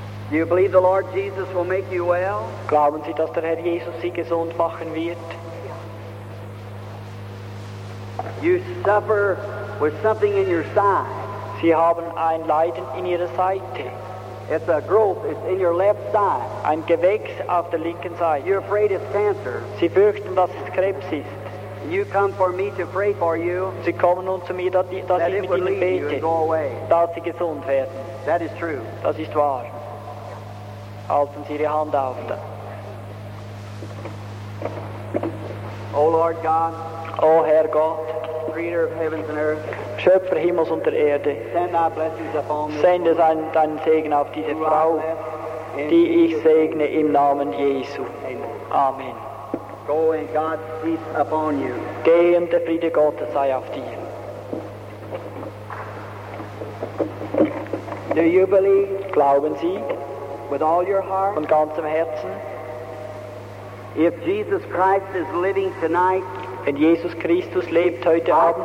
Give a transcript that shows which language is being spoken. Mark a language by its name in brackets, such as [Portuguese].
[English] Do you believe the Lord Jesus will make you well? [German] Glauben Sie, dass der Herr Jesus Sie gesund machen wird? [English] You suffer with something in your side. [German] Sie haben ein Leiden in Ihrer Seite. [English] It's a growth. It's in your left side. [German] Ein Gewächs auf der linken Seite. [English] You're afraid it's cancer. [German] Sie fürchten, dass es Krebs ist. [English] You come for me to pray for you. [German] Sie kommen nun zu mir, dass ich mit Ihnen bete, dass Sie gesund werden. [English] That is true. [German] Das ist wahr. Halten Sie Ihre Hand auf. [English] O Lord God. [German] O Herr Gott. [English] Creator of heavens and earth. [German] Schöpfer Himmels und der Erde. [English] Send thy blessings upon this. [German] Sende deinen Segen auf diese Frau, die ich segne im Namen Jesu. [English] Amen. Go and God's peace upon you. [German] Geh und der Friede Gottes sei auf dir. [English] Do you believe? [German] Glauben Sie? [English] With all your heart? [German] Von ganzem Herzen? [English] If Jesus Christ is living tonight, [German] Wenn Jesus Christus lebt heute Abend,